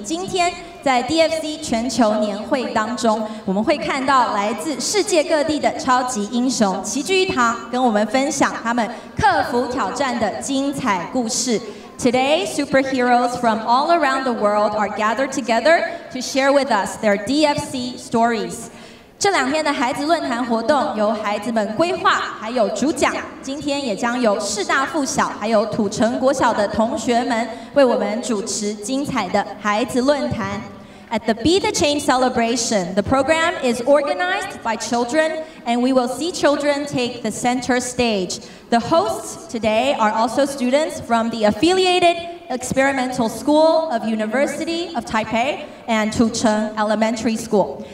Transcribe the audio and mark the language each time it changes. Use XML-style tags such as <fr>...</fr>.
<zh>今天在 DFC 全球年会当中，我们会看到来自世界各地的超级英雄齐聚一堂，跟我们分享他们克服挑战的精彩故事。</zh> <en>Today, superheroes from all around the world are gathered together to share with us their DFC stories.</en> <zh>这两天的孩子论坛活动由孩子们规划，还有主讲。今天也将由世大附小还有土城国小的同学们为我们主持精彩的孩子论坛。</zh> <en>At the Be the Change Celebration, the program is organized by children, and we will see children take the center stage. The hosts today are also students from the affiliated Experimental School of University of Taipei and Tucheng Elementary School.</en>